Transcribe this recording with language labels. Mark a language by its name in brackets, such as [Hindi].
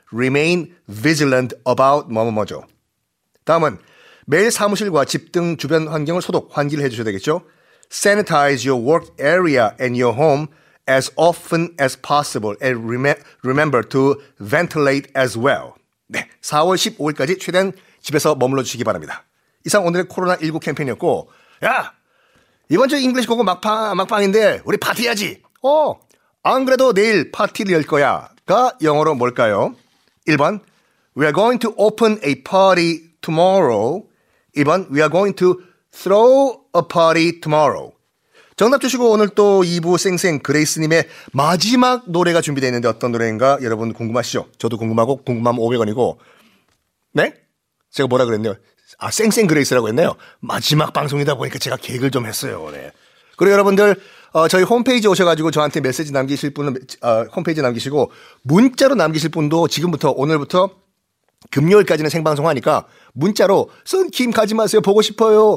[English] Remain vigilant about 뭐뭐뭐죠. [Korean] 다음은 매일 사무실과 집 등 주변 환경을 소독, 환기를 해주셔야 되겠죠. [English] Sanitize your work area and your home as often as possible and remember to ventilate as well. [Korean] 네, 4월 15일까지 최대한 집에서 머물러 주시기 바랍니다. 이상 오늘의 코로나19 캠페인이었고, 야! 이번 주 잉글리시 공부 막방인데 우리 파티해야지. 어, 안 그래도 내일 파티를 열 거야. 가 영어로 뭘까요? [English] 1번, We are going to open a party tomorrow. 2번, We are going to throw a party tomorrow. [Korean] 정답 주시고 오늘 또 2부 생생 그레이스님의 마지막 노래가 준비되어 있는데 어떤 노래인가 여러분 궁금하시죠? 저도 궁금하고 궁금하면 500원이고. 네? 제가 뭐라 그랬네요. 아, 생생 그레이스라고 했네요. 마지막 방송이다 보니까 제가 개그를 좀 했어요. 네. 그리고 여러분들 저희 홈페이지 오셔가지고 저한테 메시지 남기실 분은 홈페이지 남기시고 문자로 남기실 분도 지금부터 오늘부터 금요일까지는 생방송하니까 문자로 쓴 김 가지 마세요. 보고 싶어요.